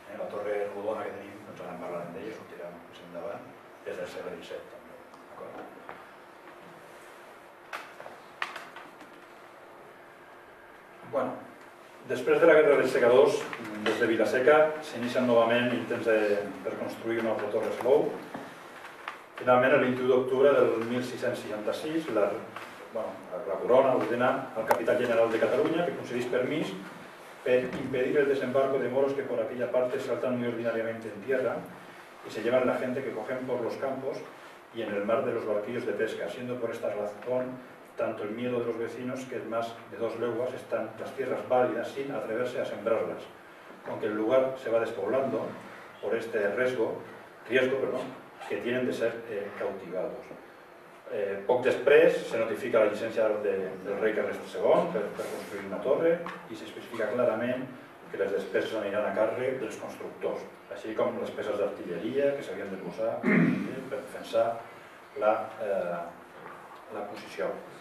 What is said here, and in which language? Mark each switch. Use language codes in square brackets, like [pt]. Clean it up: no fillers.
[ca] La torre rodona que tenim, doncs ara en parlarem d'ella, sortirà més endavant, és del segle XVII, també. Bueno, després de la Guerra dels Segadors, des de Vilaseca, s'inicien novament intents de reconstruir una altra torre Salou. Finalment, el 21 d'octubre del 1666, la corona ordena al capità general de Catalunya que concedís permís per impedir el desembarco de moros [es] que por aquella parte saltan muy ordinariamente en tierra y se llevan la gente que cogen por los campos y en el mar de los barquillos de pesca, siendo por esta razón tanto el miedo de los vecinos que en más de dos leguas están las tierras válidas sin atreverse a sembrarlas, con que el lugar se va despoblando por este riesgo, que tienen de ser cautivados. [ca] Poc després se notifica la llicència del rei Carles II per construir una torre i s'especifica clarament que les despeses aniran a càrrec dels constructors, així com les peces d'artilleria que s'havien de posar per defensar la posició.